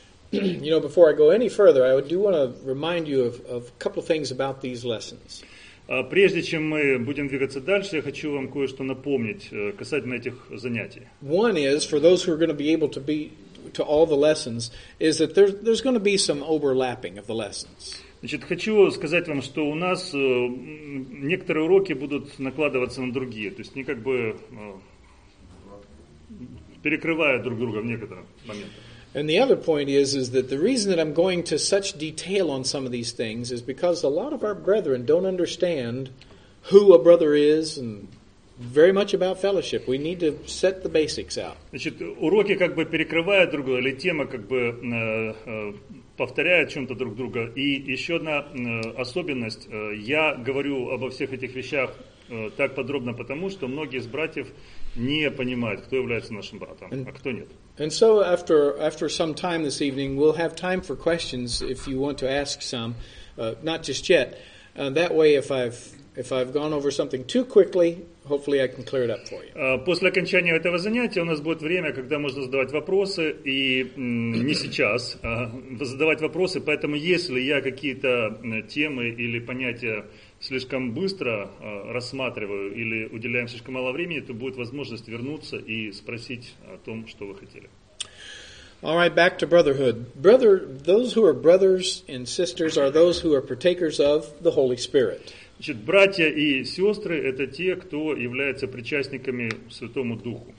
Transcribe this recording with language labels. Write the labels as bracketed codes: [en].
[en] You know, before I go any further, I do want to remind you of a couple of things about these lessons. [ru] Прежде чем мы будем двигаться дальше, я хочу вам кое-что напомнить касательно этих занятий. [en] One is, for those who are going to be able to be to all the lessons, is that there's going to be some overlapping of the lessons. [ru] Значит, хочу сказать вам, что у нас некоторые уроки будут накладываться на другие, то есть они как бы перекрывают друг друга в некотором моменте. [en] And the other point is that the reason that I'm going to such detail on some of these things is because a lot of our brethren don't understand who a brother is and very much about fellowship. We need to set the basics out. [ru] Значит, уроки как бы перекрывают друг друга, или тема как бы повторяют чем-то друг друга. И еще одна особенность. Я говорю обо всех этих вещах так подробно, потому что многие из братьев не понимают, кто является нашим братом, а кто нет. [en] And so after some time this evening, we'll have time for questions if you want to ask some, not just yet. That way, if I've gone over something too quickly, hopefully I can clear it up for you. [ru] После окончания этого занятия у нас будет время, когда можно задавать вопросы, и не сейчас, задавать вопросы. Поэтому, если я какие-то темы или понятия слишком быстро рассматриваю или уделяем слишком мало времени, то будет возможность вернуться и спросить о том, что вы хотели. [en] All right, back to brotherhood. Brother, those who are brothers and sisters are those who are partakers of the Holy Spirit. [ru] Значит, братья и сестры – это те, кто является причастниками Святому Духу.